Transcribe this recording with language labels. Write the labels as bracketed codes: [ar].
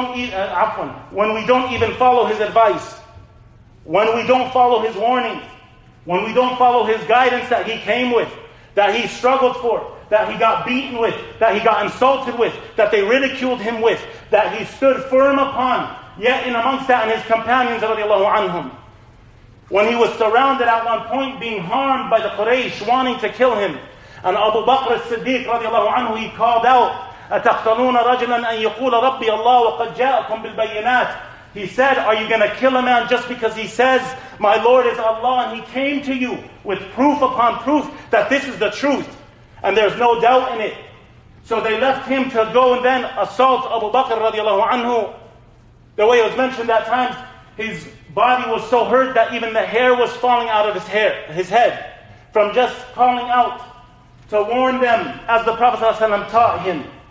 [en] When we don't even follow his advice, when we don't follow his warnings, when we don't follow his guidance that he came with, that he struggled for, that he got beaten with, that he got insulted with, that they ridiculed him with, that he stood firm upon, yet in amongst that and his companions radiallahu anhum, when he was surrounded at one point being harmed by the Quraysh wanting to kill him, and Abu Bakr as-Siddiq radiallahu anhu, he called out [ar] أتقتلون رجلا أن يقول ربي الله وقد جاءكم بالبينات. [en] He said, are you going to kill a man just because he says, my Lord is Allah, and he came to you with proof upon proof that this is the truth, and there's no doubt in it. So they left him to go and then assault Abu Bakr radiallahu anhu. The way it was mentioned that time, his body was so hurt that even the hair was falling out of his head, from just calling out to warn them, as the Prophet ﷺ taught him.